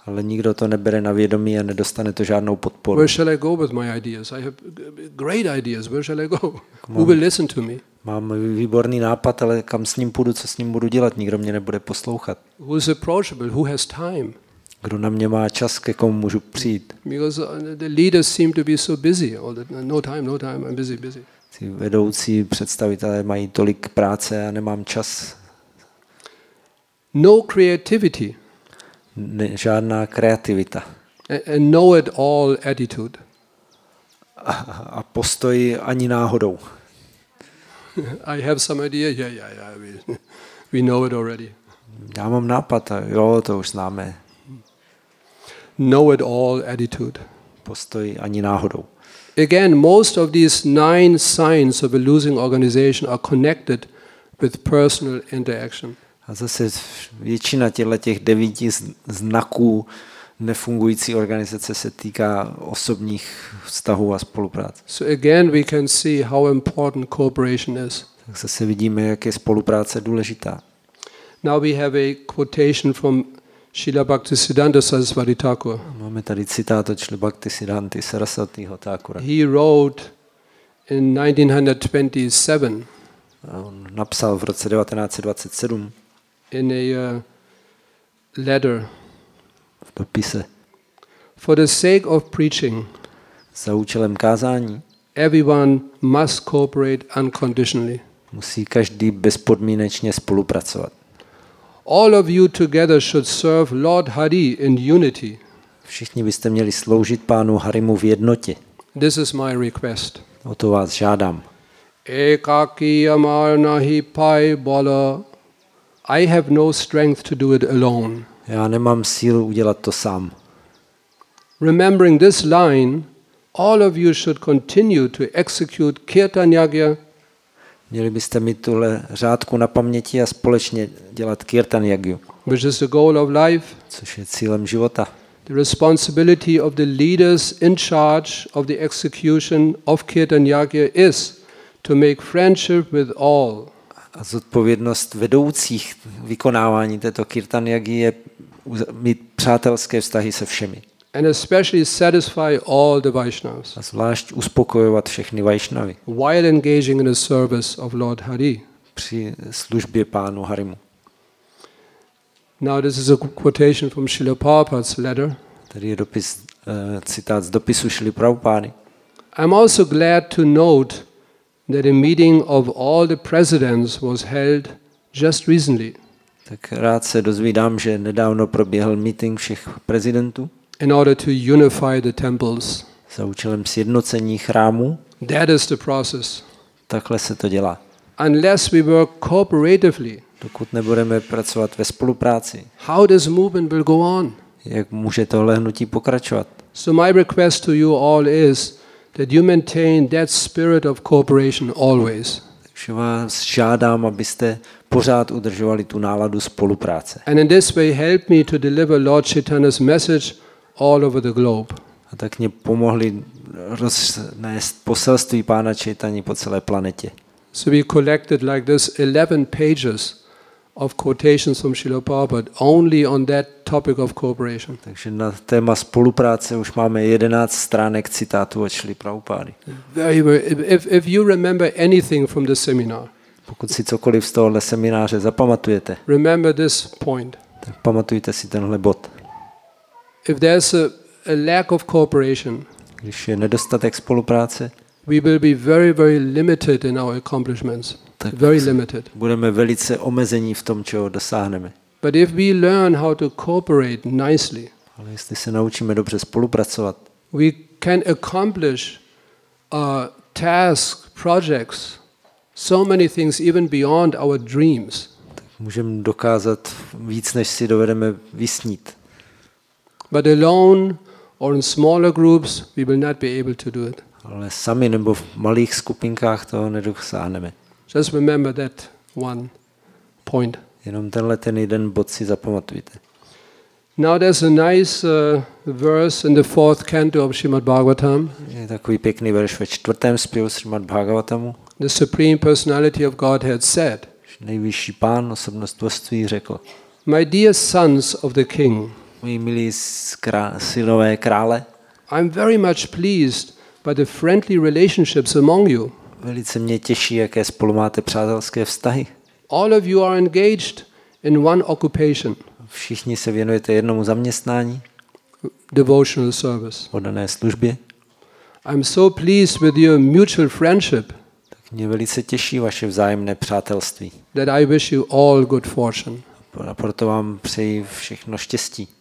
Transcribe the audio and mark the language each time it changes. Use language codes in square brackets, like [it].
[cs] Ale nikdo to nebere na vědomí a nedostane to žádnou podporu. [en] Where shall I go with my ideas? I have great ideas. Where shall I go? Who will listen to me? [cs] Mám výborný nápad, ale kam s ním půjdu, co s ním budu dělat? Nikdo mě nebude poslouchat. [en] Who is approachable? Who has time? [cs] Kdo na mě má čas, ke komu můžu přijít? [en] Because the leaders seem to be so busy. No time, I'm busy. [cs] Ty vedoucí představitelé mají tolik práce a nemám čas. [en] No creativity. [cs] Žádná kreativita. [en] A know it all attitude. [cs] A postoj ani náhodou. [en] I have some idea. Yeah. We know it already. [cs] Já mám nápad. Jo, to už známe. [en] Know it all attitude. [cs] Postoj ani náhodou. [en] Again, most of these nine signs of a losing organization are connected with personal interaction. [cs] A zase většina těch devíti znaků nefungující organizace se týká osobních vztahů a spolupráce. [en] So again we can see how important cooperation is. [cs] Tak zase vidíme, jak je spolupráce důležitá. [en] Now we have a quotation from Srila Bhaktisiddhanta Sarasvati Thakur. [cs] Máme tady citát od Srila Bhaktisiddhanty Sarasvatiho Thakura. [en] He wrote in 1927. [cs] On napsal v roce 1927 [en] in a letter, [cs] v dopise, [en] for the sake of preaching, [cs] za účelem kázání, [en] everyone must cooperate unconditionally, [cs] musí každý bezpodmínečně spolupracovat. [en] All of you together should serve Lord Hari in unity. [cs] Všichni byste měli sloužit pánu Harimu v jednotě. [en] This is my request. [cs] O to vás žádám. [bn] Ekaki amarnahi pai bola. [en] I have no strength to do it alone. [cs] Já nemám sílu udělat to sám. [en] Remembering this line, all of you should continue to execute kirtan yagya. [cs] Měli byste mít tuhle řádku na paměti a společně dělat kirtan yagyu. [en] Which is the goal of life? [cs] Což je cílem života. [en] The responsibility of the leaders in charge of the execution of kirtan yagya is to make friendship with all. [cs] A zodpovědnost vedoucích vykonávání této kirtan yagyi je mít přátelské vztahy se všemi. [en] And especially satisfy all the Vaishnavas. [cs] A zvlášť uspokojovat všechny Vaishnavy. [en] While engaging in the service of Lord Hari. [cs] Při službě pánu Harimu. [en] Now this is a quotation from Srila Prabhupada's letter. [cs] Tady je dopis, citát z dopisu Srila Prabhupády. [en] I'm also glad to note that a meeting of all the presidents was held just recently. [cs] Tak rád se dozvídám, že nedávno proběhl meeting všech prezidentů. [en] In order to unify the temples. [cs] Za účelem sjednocení chrámů. [en] That is the process. [cs] Takhle se to dělá. [en] Unless we work cooperatively. [cs] Dokud nebudeme pracovat ve spolupráci. [en] How this movement will go on? [cs] Jak může tohle hnutí pokračovat? [en] So my request to you all is that you maintain that spirit of cooperation always. [cs] Takže vás žádám, abyste pořád udržovali tu náladu spolupráce. [en] And in this way help me to deliver Lord Chaitanya's message all over the globe. [cs] A tak mě pomohli roznést poselství pána Chaitany po celé planetě. [en] So we collected like this 11 pages of quotations from Srila Prabhupada only on that topic of cooperation. [cs] Takže na téma spolupráce už máme 11 stránek citátů od Srila Prabhupády. [en] If you remember anything from the seminar. [cs] Pokud si cokoliv z tohohle semináře zapamatujete. [en] Remember this point. [cs] Tak pamatujte si tenhle bod. [en] If there's a lack of cooperation. [cs] Když je nedostatek spolupráce. [en] We will be very very limited in our accomplishments. Very limited. [cs] Budeme velice omezení v tom, čeho dosáhneme. [en] But if we learn how to cooperate nicely. [cs] Ale jestli se naučíme dobře spolupracovat. [en] We can accomplish tasks, projects, so many things even beyond our dreams. [cs] Můžeme dokázat víc, než si dovedeme vysnít. [en] But alone or in smaller groups we will not be able to do it. [cs] Ale sami nebo v malých skupinkách toho nedosáhneme. [en] Just remember that one point. [cs] Jenom tenhle ten jeden bod si zapamatujte. [en] Now there's a nice verse in the fourth canto of Srimad Bhagavatam. [cs] Je takový pěkný verš ve čtvrtém zpěvu Srimad Bhagavatamu. [en] The Supreme Personality of Godhead said. [cs] Nejvyšší pán osobnost božství řekl. [en] My dear sons of the king. [cs] Moji milí synové krále. [en] I'm very much pleased by the friendly relationships among you. [cs] Velice mě těší, jaké spolu máte přátelské vztahy. [en] All of you are engaged in one occupation. [cs] Všichni se věnujete jednomu zaměstnání. [en] Devotional service. [cs] Oddané službě. [en] I'm so pleased with your mutual friendship. [cs] Tak mě velice těší vaše vzájemné přátelství. [en] That I wish you all good fortune. [cs] A proto vám přeji všechno štěstí.